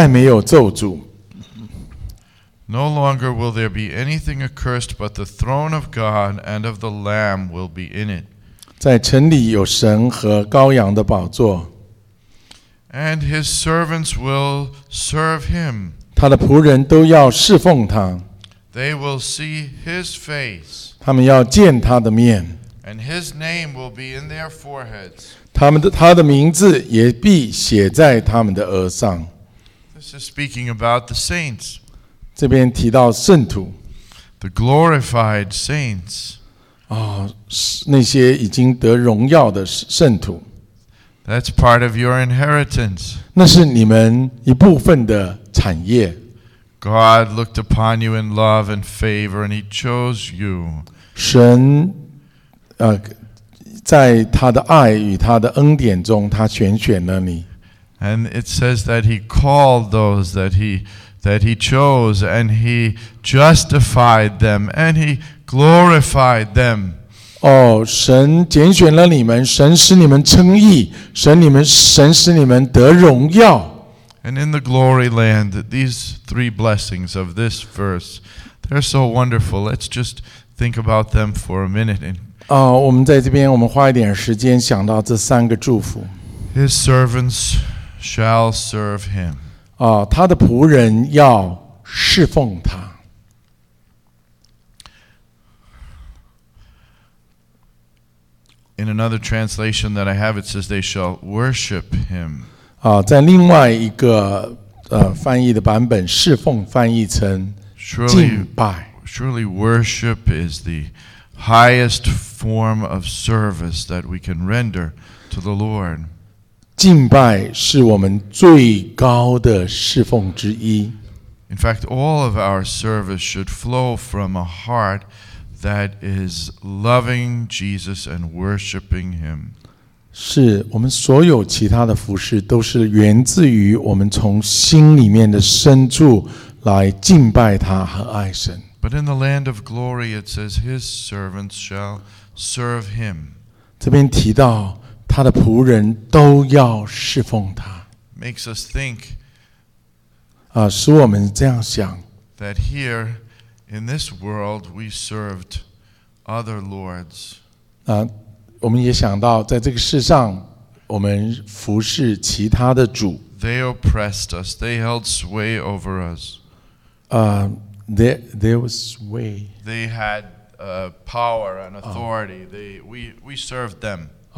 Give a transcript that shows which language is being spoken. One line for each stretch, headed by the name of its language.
English: No longer will there be anything accursed, but the throne of God and of the Lamb will be in it.
Chinese: 在城里有神和羔羊的宝座。
English: And his servants will serve him.
Chinese: 他的仆人都要侍奉他
English: They will see his face
Chinese: 他们要见他的面
English: And his name will be in their foreheads.
Chinese: 他的名字也必写在他们的额上。
English: This is speaking about the saints.
Chinese: 这边提到圣徒。
English: The glorified saints.
Chinese: 那些已经得荣耀的圣徒。
English: That's part of your inheritance.
Chinese: 那是你们一部分的产业。
English: God looked upon you in love and favor, and he chose you.
Chinese: 神在他的爱与他的恩典中，他选选了你。
English: And it says that he called those that he chose, and he justified them, and he glorified them.
Chinese: 神拣选了你们，神使你们称义，神使你们得荣耀。
English: And in the glory land, these three blessings of this verse, they're so wonderful. Let's just think about them for a minute.
Chinese: 我们在这边，我们花一点时间想到这三个祝福。
English: His servants shall serve him.
Chinese: 他的仆人要侍奉他。
English: In another translation that I have, it says they shall worship him.
Chinese: 在另外一个翻译的版本，侍奉翻译成敬拜。
English: Surely worship is the highest form of service that we can render to the Lord.
Chinese: 敬拜是我们最高的侍奉之一。
English: In fact, all of our service should flow from a heart that is loving Jesus and worshiping him.
Chinese: 是我们所有其他的服事都是源自于我们从心里面的深处来敬拜他和爱神。
English: But in the land of glory, it says his servants shall serve him.
Chinese: 这边提到他的仆人都要侍奉他。
English: Makes us think.
Chinese: 使我们这样想。
English: That here in this world we served other lords.
Chinese: 我们也想到在这个世上我们服侍其他的主。
English: They oppressed us. They held sway over us. There was way. They had power and authority. We served them.